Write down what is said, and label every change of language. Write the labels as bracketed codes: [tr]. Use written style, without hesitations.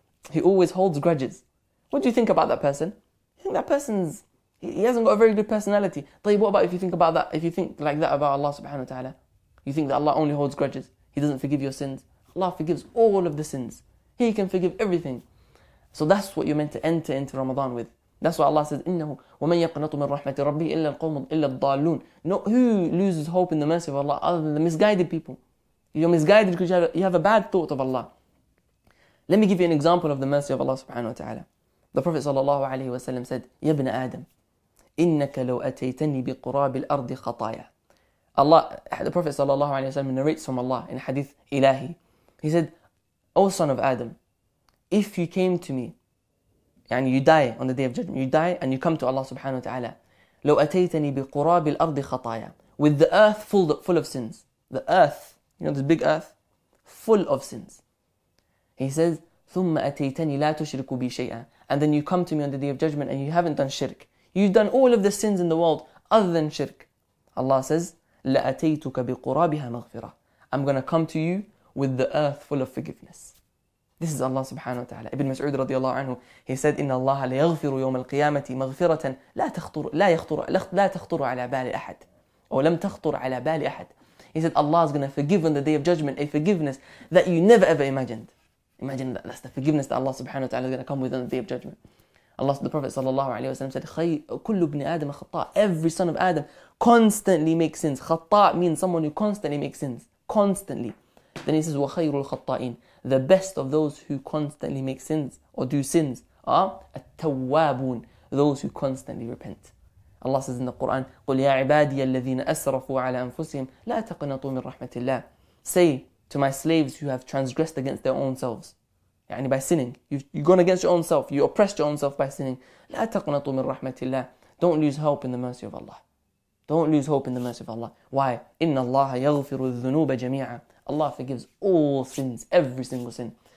[en] He always holds grudges. What do you think about that person? You think that person's, he hasn't got a very good personality. طيب, what about if you think about that, if you think like that about Allah subhanahu wa ta'ala? You think that Allah only holds grudges, He doesn't forgive your sins. Allah forgives all of the sins. He can forgive everything. So that's what you're meant to enter into Ramadan with. That's why Allah says, [ar] إِنَّهُ وَمَنْ يَقْنَطُ مِنْ رَحْمَةِ رَبِّهِ إِلَّا الْقَوْمُ إِلَّا الضَّالُونَ. [en] Who loses hope in the mercy of Allah other than the misguided people? You're misguided because you have a bad thought of Allah. Let me give you an example of the mercy of Allah subhanahu wa ta'ala. The Prophet sallallahu alayhi wa sallam said, [ar] Ya ibn Adam, innaka law ataytani bi qurabil ardi khataya. [en] Allah, the Prophet sallallahu alayhi wa sallam narrates from Allah in hadith ilahi. He said, O son of Adam, if you came to me, and you die on the day of judgment, you die and you come to Allah subhanahu wa ta'ala, [ar] law ataytani bi qurabil ardi khataya, [en] with the earth full of sins. The earth, you know, this big earth, full of sins. He says, [ar] ثُمَّ أَتَيْتَنِي لَا تُشْرِكُ بِي شَيْئًا. [en] And then you come to me on the day of judgment and you haven't done shirk. You've done all of the sins in the world other than shirk. Allah says, [ar] لَأَتَيْتُكَ بِقُرَابِهَا مَغْفِرَةً. [en] I'm going to come to you with the earth full of forgiveness. This is Allah subhanahu wa ta'ala. Ibn Mas'ud radiallahu anhu, he said, [ar] إِنَّ اللَّهَ لَيَغْفِرُ يَوْمَ الْقِيَامَةِ مَغْفِرَةً لَا تَخْطُرُ عَلَى بَالِ أَحَدٍ أَوْ لَمْ تَخْطُرُ عَلَى بَالِ أَحَدٍ. [en] He said, Allah is going to forgive on the day of judgment a forgiveness that you never ever imagined. Imagine that, that's the forgiveness that Allah subhanahu wa ta'ala is going to come with on the day of judgment. Allah, the Prophet sallallahu alayhi wa sallam said, [ar] كل ابن آدم خطاء. [en] Every son of Adam constantly makes sins. خطاء means someone who constantly makes sins. Constantly. Then he says, [ar] وخير الخطائين. [en] The best of those who constantly make sins or do sins are التوابون. Those who constantly repent. Allah says in the Quran, [ar] قل يا عبادي الذين أسرفوا على أنفسهم لا تقنطوا من رحمة الله. [en] Say, to my slaves who have transgressed against their own selves. يعني by sinning. You've gone against your own self. You oppressed your own self by sinning. [ar] لا تقنطوا من رحمة الله. [en] Don't lose hope in the mercy of Allah. Don't lose hope in the mercy of Allah. Why? [ar] إِنَّ اللَّهَ يَغْفِرُ الذُّنُوبَ جَمِيعًا. [en] Allah forgives all sins, every single sin.